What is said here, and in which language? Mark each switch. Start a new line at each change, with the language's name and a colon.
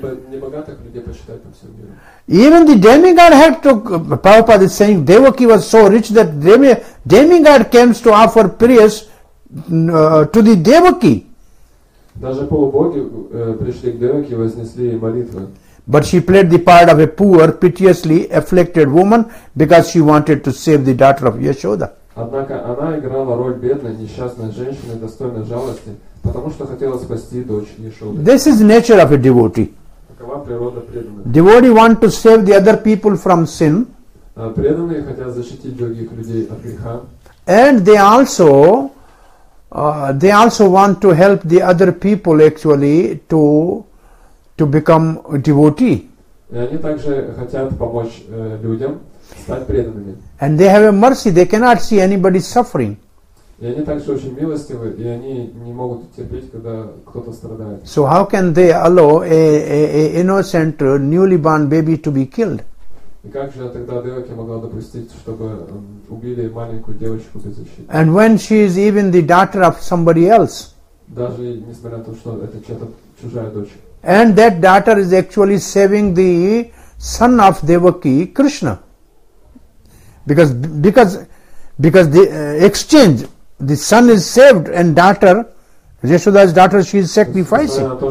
Russian: Небогатых людей почитают по всему миру.
English: Even the demigod had to. Prabhupada is saying Devaki was so rich that demigod came to offer prayers to the Devaki.
Russian: Даже полубоги пришли к Деваки и вознесли молитвы.
English: But she played the part of a poor, piteously afflicted woman because she wanted to save the daughter of Yashoda.
Russian: Однако она играла роль бедной, несчастной женщины, достойной жалости, потому что хотела спасти дочь Яшоды.
English: This is the nature of a devotee.
Russian: такова природа преданных.
English: Devotee want to save the other people from sin.
Russian: Преданные хотят защитить других людей от греха.
English: And they also want to help the other people actually to become a devotee.
Russian: И они также хотят помочь людям стать преданными.
English: And they have a mercy, they cannot see anybody suffering.
Russian: И они также очень милостивы, и они не могут терпеть, когда кто-то страдает.
English: So how can they allow a innocent newly born baby to be killed?
Russian: И как же тогда девочка могла допустить, чтобы убили маленькую девочку без защиты?
English: And when she is even the daughter of somebody else.
Russian: Даже несмотря на то, что это чья-то чужая дочь.
English: And that daughter is actually saving the son of Devaki, Krishna. Because the exchange, the son is saved and daughter, Yashoda's daughter, she is sacrificing.